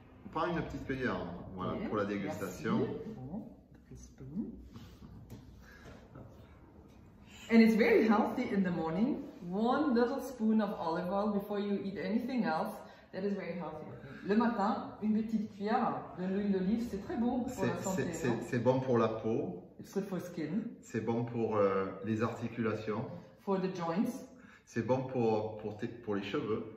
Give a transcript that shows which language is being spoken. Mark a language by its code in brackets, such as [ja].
[fr] Prends une petite cuillère, voilà, yes, pour la dégustation. [en] Bon, and it's very healthy in the morning. One little spoon of olive oil before you eat anything else. That is very healthy. [fr] Le matin, une petite cuillère de l'huile d'olive, c'est très bon pour la santé. C'est bon pour la peau. [en] It's good for skin. [fr] C'est bon pour les articulations. [en] For the joints. [fr] C'est bon pour les cheveux.